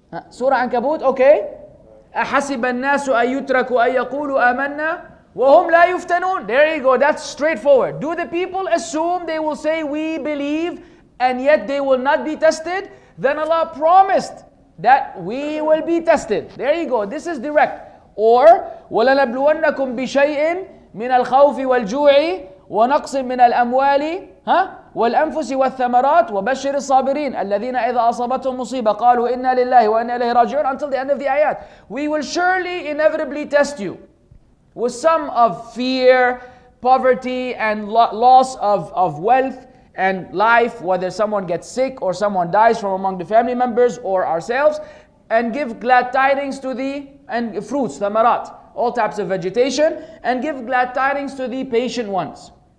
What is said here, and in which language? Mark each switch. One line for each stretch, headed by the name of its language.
English: Surah Ankabut, okay.
Arabic: أَحَسِبَ النَّاسُ أَن يُتْرَكُوا أَن يَقُولُوا آمَنَّا وَهُمْ لَا يُفْتَنُونَ.
English: There you go, that's straightforward. Do the people assume they will say, we believe, and yet they will not be tested? Then Allah promised that we will be tested. There you go, this is direct. Or,
Arabic: وَلَنَبْلُوَنَّكُمْ بِشَيْءٍ من الخوف والجوع ونقص من الأموال ها والأنفس والثمرات وبشر الصابرين الذين إذا أصابتهم مصيبة قالوا إنا لله وإنا إليه راجعون.
English: Until the end of the ayat, we will surely inevitably test you with some of fear, poverty, and loss of wealth and life, whether someone gets sick or someone dies from among the family members or ourselves, and give glad tidings to thee, and fruits, ثمرات, all types of vegetation, and give glad tidings to the patient ones.